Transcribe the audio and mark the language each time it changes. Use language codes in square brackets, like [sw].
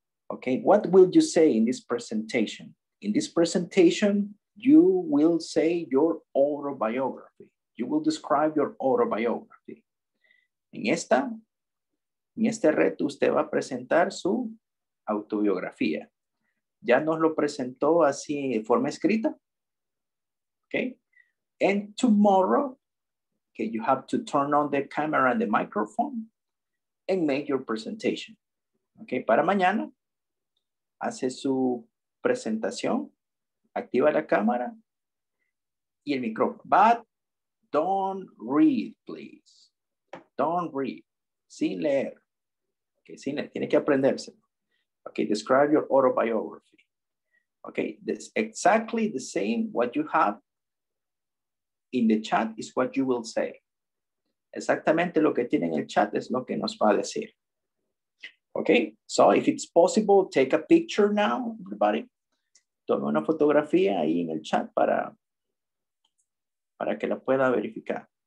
[en] Okay, what will you say in this presentation? In this presentation, you will say your autobiography. You will describe your autobiography. [es] En este reto, usted va a presentar su autobiografía. ¿Ya nos lo presentó así de forma escrita? [en] Okay. And tomorrow, okay, you have to turn on the camera and the microphone and make your presentation. Okay. [es] Para mañana, hace su presentación, activa la cámara y el micrófono. [en] But don't read, please. Don't read. [es] Sin leer. [en] Okay, [es] sin leer. Tiene que aprenderse. [en] Okay, describe your autobiography. Okay, this exactly the same what you have in the chat is what you will say. [es] Exactamente lo que tiene en el chat es lo que nos va a decir. [en] Okay, so if it's possible, take a picture now, everybody. [es] Tome una fotografía ahí en el chat para que la pueda verificar.